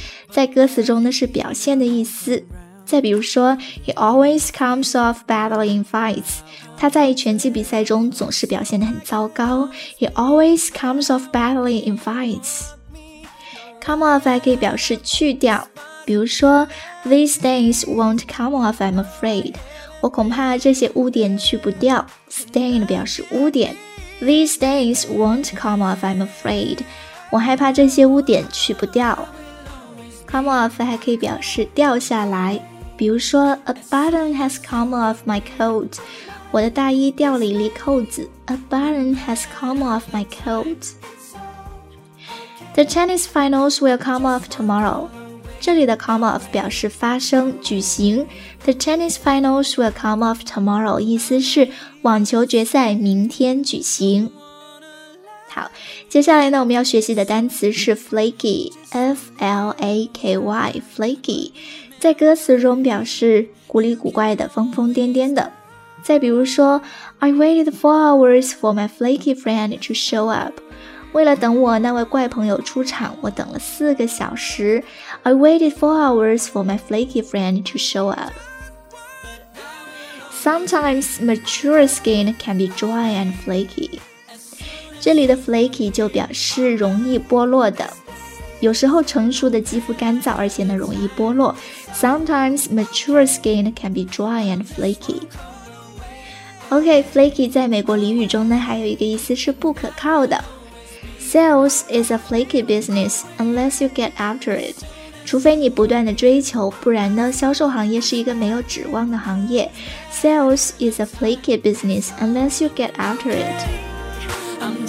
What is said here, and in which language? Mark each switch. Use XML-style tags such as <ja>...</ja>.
<zh>在歌词中呢是表现的意思。再比如说</zh> <en>He always comes off badly in fights.</en> <zh>他在拳击比赛中总是表现得很糟糕。</zh> <en>He always comes off badly in fights. Come off</en> <zh>还可以表示去掉，比如说</zh> <en>These stains won't come off, I'm afraid.</en> <zh>我恐怕这些污点去不掉。 Stain 表示污点。</zh> <en>These stains won't come off, I'm afraid.</en> <zh>我害怕这些污点去不掉。</zh> <en>Come off</en> <zh>还可以表示掉下来，比如说</zh> <en>A button has come off my coat.</en> <zh>我的大衣掉了一粒扣子。</zh> <en>A button has come off my coat. The tennis finals will come off tomorrow.</en> <zh>这里的 come off 表示发生、举行。</zh> <en>The tennis finals will come off tomorrow</en> <zh>意思是网球决赛明天举行。好，接下来呢，我们要学习的单词是 flaky，在歌词中表示古里古怪的、疯疯癫癫的。再比如说</zh> <en>，I waited 4 hours for my flaky friend to show up。</en> <zh>为了等我那位怪朋友出场，我等了4个小时。</zh> <en>I waited 4 hours for my flaky friend to show up。 Sometimes mature skin can be dry and flaky。</en> <zh>这里的 flaky 就表示容易剥落的，有时候成熟的肌肤干燥而且呢容易剥落。</zh> <en>Sometimes mature skin can be dry and flaky.</en> <zh>OK, flaky 在美国俚语中呢还有一个意思是不可靠的。</zh> <en>Sales is a flaky business unless you get after it.</en> <zh>除非你不断的追求，不然呢销售行业是一个没有指望的行业。</zh> <en>Sales is a flaky business unless you get after it.</en>